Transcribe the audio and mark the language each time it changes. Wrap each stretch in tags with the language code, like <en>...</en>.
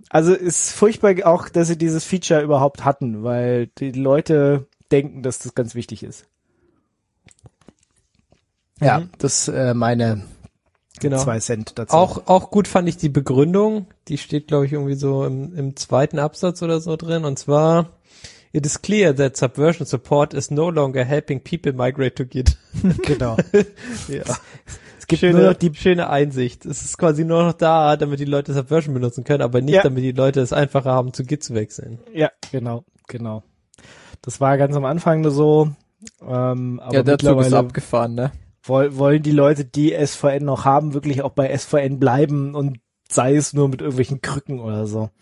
<de>Also es ist furchtbar auch, dass sie dieses Feature überhaupt hatten, weil die Leute denken, dass das ganz wichtig ist. Ja, das meine genau. 2 Cent dazu. Auch gut fand ich die Begründung. Die steht, glaube ich, irgendwie so im zweiten Absatz oder so drin. Und zwar,</de> <en>it is clear that Subversion Support is no longer helping people migrate to Git.</en> <de>Genau. Ja. Gibt schöne, nur noch die schöne Einsicht. Es ist quasi nur noch da, damit die Leute Subversion benutzen können, aber nicht, damit die Leute es einfacher haben, zu Git zu wechseln. Ja, genau. Das war ganz am Anfang nur so. Aber der Zug ist abgefahren, ne? Wollen die Leute, die SVN noch haben, wirklich auch bei SVN bleiben und sei es nur mit irgendwelchen Krücken oder so?</de>